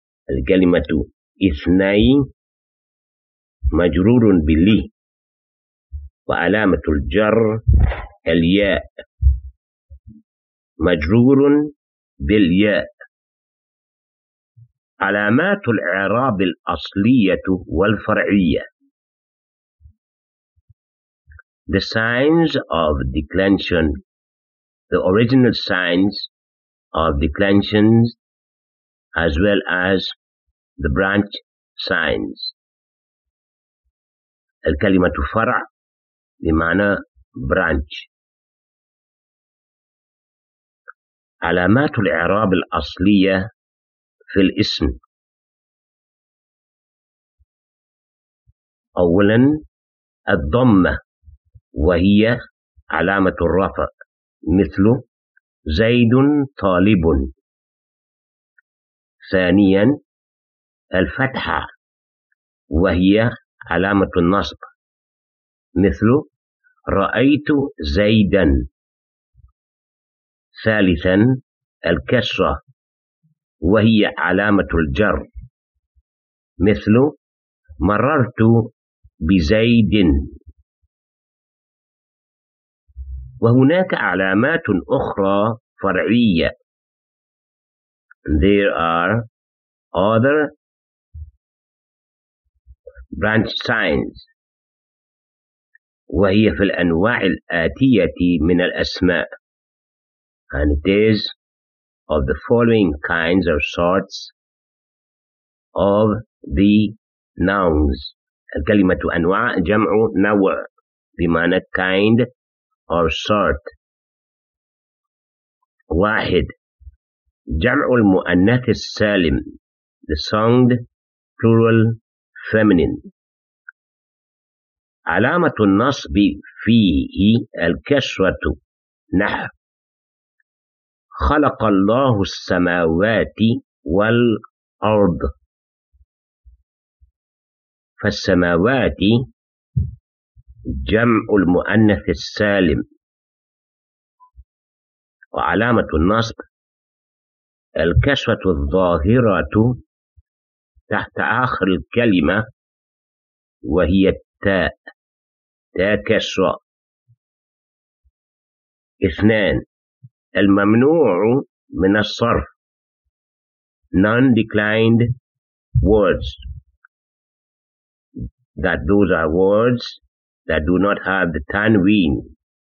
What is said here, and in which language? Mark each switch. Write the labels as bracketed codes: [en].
[ar] الكلمة اثني مجرور بلي, وعلامة الجر الياء, مجرور بالياء. علامات الإعراب الأصلية والفرعية. [en] The signs of declension, the original signs of declensions, as well as the branch signs. [ar] الكلمة فرع بمعنى branch. علامات الإعراب الأصلية في الاسم. أولا الضمة وهي علامة الرفع مثل زيد طالب. ثانيا الفتحة وهي علامة النصب مثل رأيت زيدا. ثالثا الكسرة وهي علامة الجر مثل مررت بزيد. وهناك علامات أخرى فرعية. [en] There are other branch signs. [ar] وهي في الأنواع الآتية من الأسماء. [en] And it is of the following kinds or sorts of the nouns. [ar] الكلمة أنواع جمع نوع بمعنى [en] kind or sort. [ar] واحد جمع المؤنث السالم [en] the sound plural feminine. [ar] علامة النصب فيه الكسرة نحو خلق الله السماوات والأرض. فالسماوات جمع المؤنث السالم وعلامة النصب الكسرة الظاهرة تحت آخر الكلمة وهي التاء تاء كسرة. اثنان الممنوع من الصرف [en] non-declined words, that those are words that do not have the tanween.